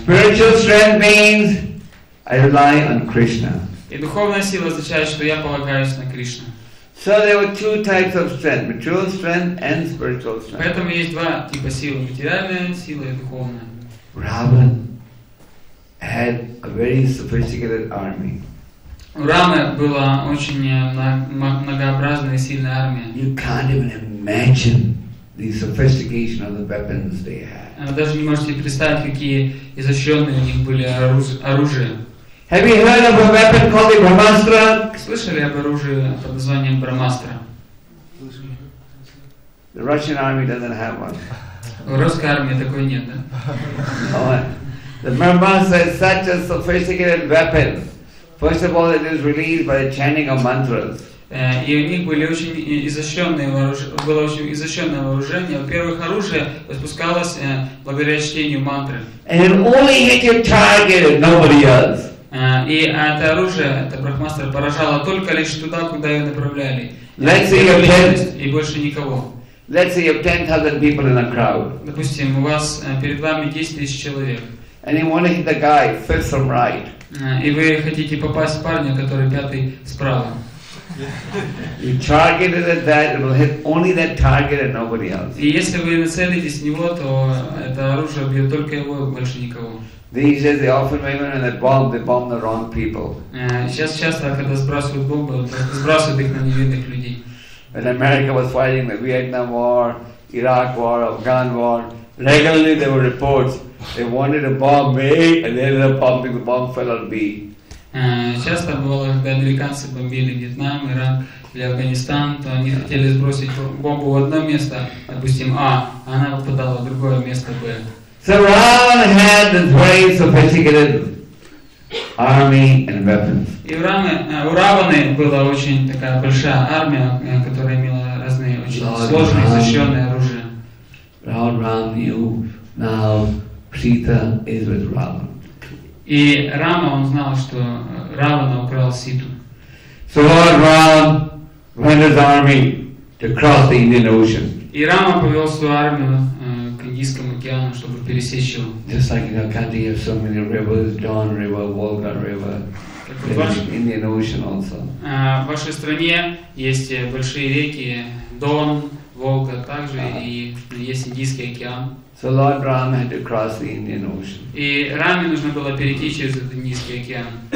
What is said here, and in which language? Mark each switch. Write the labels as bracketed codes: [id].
[en] Spiritual strength means I rely on Krishna. [ru] И духовная сила означает, что я полагаюсь на Кришну. [en] So there were two types of strength, material strength and spiritual strength. [ru] Поэтому есть два типа силы, материальная сила и духовная. [en] Ravan had a very sophisticated army. [ru] У Рамы была очень многообразная и сильная армия. [en] You can't even imagine the sophistication of the weapons they had. [ru] Вы даже не можете представить, какие изощренные у них были оружия. [en] Have you heard of a weapon called the Brahmastra? [ru] Слышали об оружии под названием Брахмастра? [en] The Russian army doesn't have one. [ru] У русской армии такой нет, да? [en] The Brahmastra is such a sophisticated weapon. First of all, it is released by the chanting of mantras. [ru] И у них были очень изощренные вооружения, было очень изощренное вооружение. Во-первых, оружие выпускалось благодаря чтению мантры. [en] And it only hit your target, nobody else. [ru] И это оружие, это брахмастра, поражало только лишь туда, куда ее направляли. И больше никого. [en] Let's say you have 10,000 people in a crowd. [ru] Допустим, у вас перед вами 10,000 человек. [en] And you want to hit the guy fifth from right. [ru] И вы хотите попасть в парня, который пятый справа. [en] You target it at that, it will hit only that target and nobody else. [ru] И если вы нацелитесь в него, то это оружие бьет только его, больше никого. [en] These days they often remember when they bomb the wrong people. [ru] Сейчас часто, когда сбрасывают бомбы, сбрасывают их на невинных людей. [en] When America was fighting the Vietnam War, Iraq War, Afghan War, regularly there were reports they wanted to bomb A and they ended up bombing the bomb fell on B. [ru] Часто было, когда американцы бомбили Вьетнам, Ирак или Афганистан, то они хотели сбросить бомбу в одно место, допустим А, а она попадала в другое место Б. [en] So Ravana had this very sophisticated army and weapons. [ru] И у Раваны была очень такая большая армия, которая имела разные очень сложные, защищенные оружия. [en] Ravana knew now Sita is with Ravana. [ru] И Рама, он знал, что Равана украл Ситу. [en] So Lord Ravana went his army to cross the Indian Ocean. [ru] И Рама повел свою армию к Индийскому океану, чтобы пересечь его. [en] Just like you know, you have so many rivers, Don River, Volga River, Indian Ocean also. [ru] В вашей стране есть большие реки Дон, Волга, также и есть Индийский океан. [en] So Lord Rama had to cross the Indian Ocean. [ru] И Раме нужно было перейти через этот Индийский океан.